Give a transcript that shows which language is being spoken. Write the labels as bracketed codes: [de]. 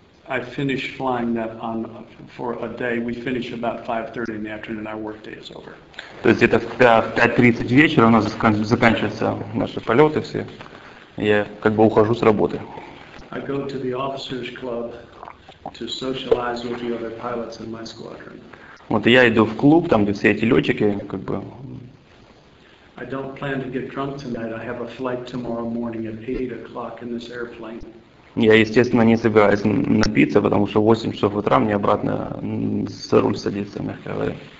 [en] I finish flying that on for a day. We finish about 5:30 in the afternoon. Our work day is over. [ru] То есть где-то в 5:30 вечера у нас заканчиваются наши полеты все. Я как бы ухожу с работы. [en] I go to the officers' club to socialize with the other pilots in my squadron. [ru] Вот я иду в клуб, там где все эти летчики, как бы [en] I don't plan to get drunk tonight. I have a flight tomorrow morning at 8 o'clock in this airplane. [ru] Я, естественно, не собираюсь напиться, потому что в 8 часов утра мне обратно за руль садиться, мягко говоря.